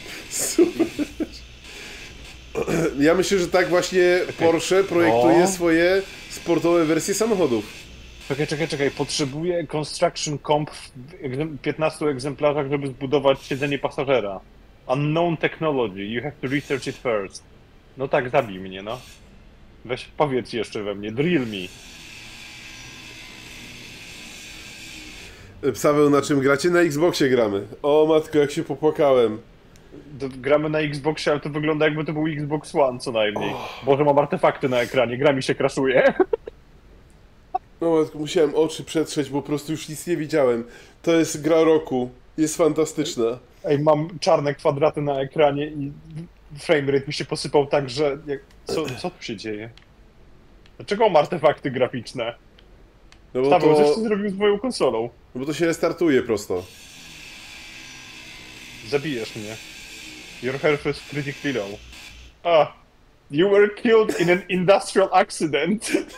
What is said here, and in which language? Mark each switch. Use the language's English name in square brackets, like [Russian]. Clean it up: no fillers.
[Polish] Super. Ja myślę, że tak właśnie Porsche projektuje swoje sportowe wersje samochodów. Czekaj. Potrzebuję construction comp w 15 egzemplarzach, żeby zbudować siedzenie pasażera. [English] Unknown technology, you have to research it first. [Polish] No tak, zabij mnie, no. Weź, powiedz jeszcze we mnie, [English] drill me. [Polish] Psaweł, na czym gracie? Na Xboxie gramy. O matko, jak się popłakałem. Gramy na Xboxie, ale to wygląda, jakby to był Xbox One co najmniej. Oh. Boże, mam artefakty na ekranie, gra mi się crashuje. No, musiałem oczy przetrzeć, bo po prostu już nic nie widziałem. To jest gra roku. Jest fantastyczna. Ej, mam czarne kwadraty na ekranie i framerate mi się posypał tak, że... Co tu się dzieje? Dlaczego mam artefakty graficzne? No bo Stawę, to... coś ty zrobił z moją konsolą. No bo to się restartuje prosto. Zabijesz mnie. [English] Your health is pretty critical. Ah! You were killed in an industrial accident.